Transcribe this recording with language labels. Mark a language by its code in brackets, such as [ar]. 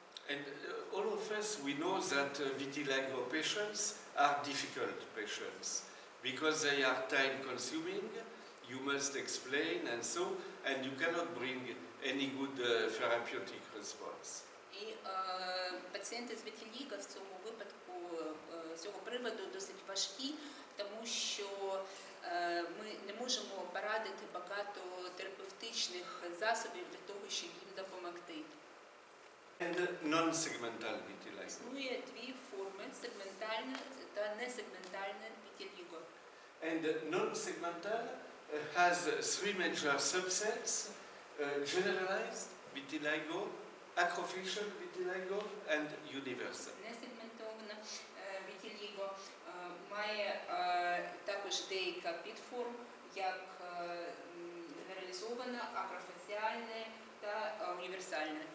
[en] And all of us, we know that vitiligo patients are difficult patients because they are time consuming, you must explain and so, and you cannot bring any good therapeutic response. [uk] І пацієнти з вітиліго в цьому випадку, з цього приводу досить важкі, тому що ми не можемо порадити багато терапевтичних засобів для того, щоб їм допомогти. [en] And non-segmental vitiligo. [uk] Існує дві форми – сегментальне та несегментальне вітиліго. [en] And non-segmental has three major subsets – generalized vitiligo, acrofacial vitiligo and universal. [uk] Несегментовано вітиліго має також деяка підформ, як генералізовано, акрофаціальне та універсальне.